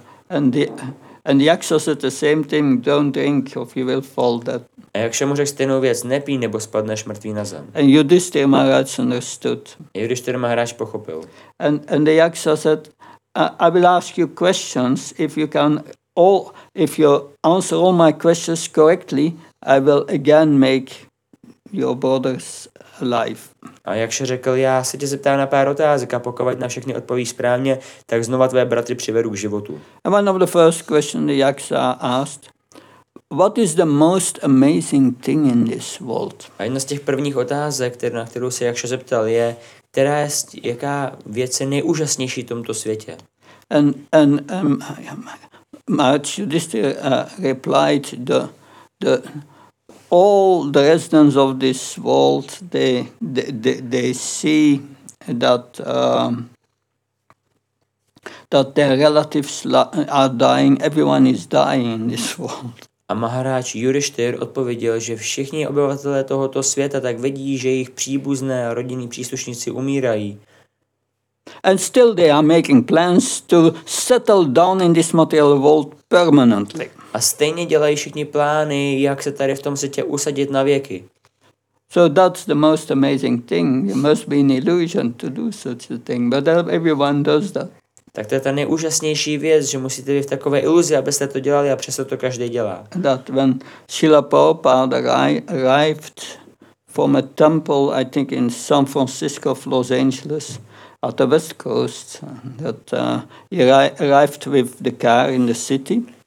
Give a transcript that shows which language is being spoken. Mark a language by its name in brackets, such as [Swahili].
[English] And the yaksa said the same thing, don't drink or you will fall dead. [Czech] A jakša mu řekl stejnou věc, nepij, nebo spadneš mrtvý na zem. [English] And Yudhishthir Maharaj understood. [Czech] Yudhishthir Maharaj pochopil. [English] And the yaksa said, I will ask you questions if you can... if you answer all my questions correctly, I will again make your brothers alive. [Czech] A jakže řekl, já se tě zeptám na pár otázek a pokud na všechny odpovíš správně, tak znova tvé bratry přivedu k životu. [English] And one of the first questions the yaksa asked, what is the most amazing thing in this world? [Czech] A jedna z těch prvních otázek, na kterou se jakže zeptal, je, která je, jaká věc je nejúžasnější v tomto světě? [English] Yudhishthir replied, the all the residents of this world they see that their relatives are dying. Everyone is dying in this world. [Czech] A Maharaj Yudhishthir odpověděl, že všichni obyvatelé tohoto světa tak vidí, že jejich příbuzné a rodinní příslušníci umírají. [English] And still they are making plans to settle down in this material world permanently. [Czech] A stejně dělají všichni plány, jak se tady v tom světě usadit na věky. [English] So that's the most amazing thing. You must be an illusion to do such a thing, but everyone does that. [Czech] Tak to je ta nejúžasnější věc, že musíte být v takové iluzi, abyste to dělali, a přesto to každý dělá. [English] That when Srila Prabhupada arrived from a temple, I think in San Francisco of Los Angeles, at the West Coast, that he arrived with the car in the city.